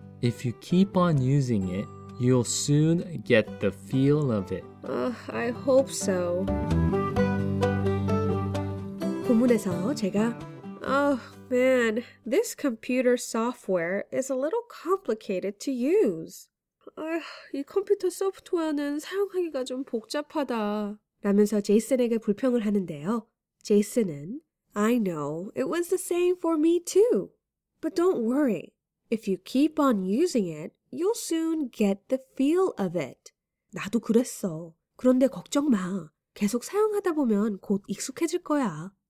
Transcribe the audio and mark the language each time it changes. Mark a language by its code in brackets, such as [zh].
[en] If you keep on using it, you'll soon get the feel of it. I hope so. [ko] 본문에서 제가 [en] Oh man, this computer software is a little complicated to use. [ko] 이 컴퓨터 소프트웨어는 사용하기가 좀 복잡하다. 라면서 제이슨에게 불평을 하는데요. 제이슨은 [en] I know, it was the same for me too. But don't worry. If you keep on using it, you'll soon get the feel of it. [ko] 나도 그랬어. 그런데 걱정 마. 계속 사용하다 보면 곧 익숙해질 거야.